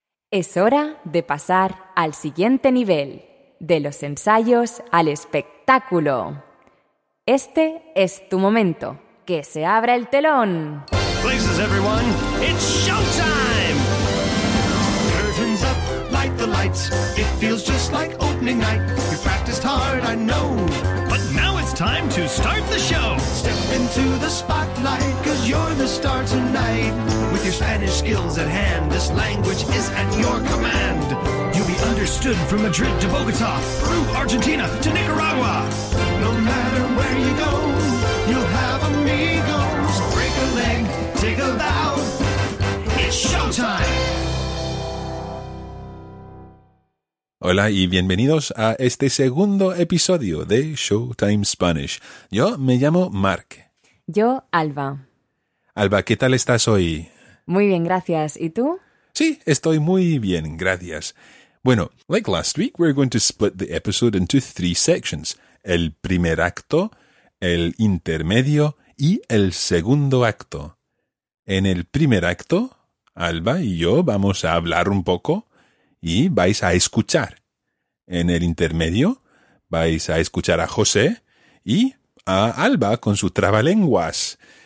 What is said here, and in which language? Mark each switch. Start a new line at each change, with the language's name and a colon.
Spanish: Es hora de pasar al siguiente nivel, de los ensayos al espectáculo. Este es tu momento. ¡Que se abra el telón!
English: Places, everyone, it's showtime! Curtains up, light the lights. It feels just like opening night. You practiced hard, I know. But now it's time to start the show. Step into the spotlight, cause you're the star tonight. With your Spanish skills at hand, this language is at your command. You'll be understood from Madrid to Bogota, Peru, Argentina to Nicaragua. No matter where you go, you'll have amigos. Break a leg, take a bow. It's showtime.
Spanish: Hola y bienvenidos a este segundo episodio de Showtime Spanish. Yo me llamo Mark. Yo, Alba. Alba, ¿qué tal estás hoy? Muy bien, gracias. ¿Y tú? Sí, estoy muy bien, gracias.
English: Bueno, like last week, we're going to split the episode into 3 sections.
Spanish: El primer acto, el intermedio y el segundo acto. En el primer acto, Alba y yo vamos a hablar un poco y vais a escuchar. En el intermedio, vais a escuchar a José y a Alba con su trabalenguas.